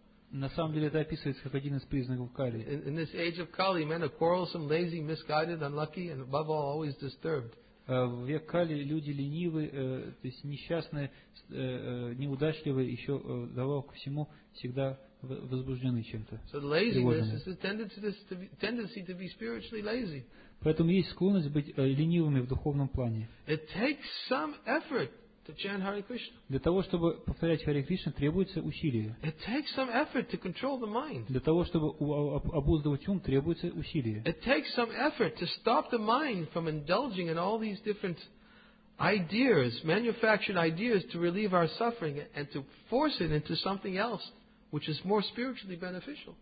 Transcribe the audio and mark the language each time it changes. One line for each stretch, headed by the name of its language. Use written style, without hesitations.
Russian: На самом деле это описывается как один из признаков Кали.
English: In this age of Kali, men are quarrelsome, lazy, misguided, unlucky, and above all, always disturbed.
Russian: В век Кали люди ленивы, то есть несчастные, неудачливы, еще вдобавок ко всему всегда возбуждены чем-то.
English: So laziness is a tendency to be spiritually lazy.
Russian: Поэтому есть склонность быть ленивыми в духовном плане.
English: It takes some effort to chant Hare Krishna.
Russian: Для того, чтобы повторять Харе Кришна, требуется усилие.
English: It takes some effort to control the mind.
Russian: Для того, чтобы обуздывать ум, требуется усилие.
English: It takes some effort to stop the mind from indulging in all these different ideas, manufactured ideas to relieve our suffering and to force it into something else which is more spiritually beneficial.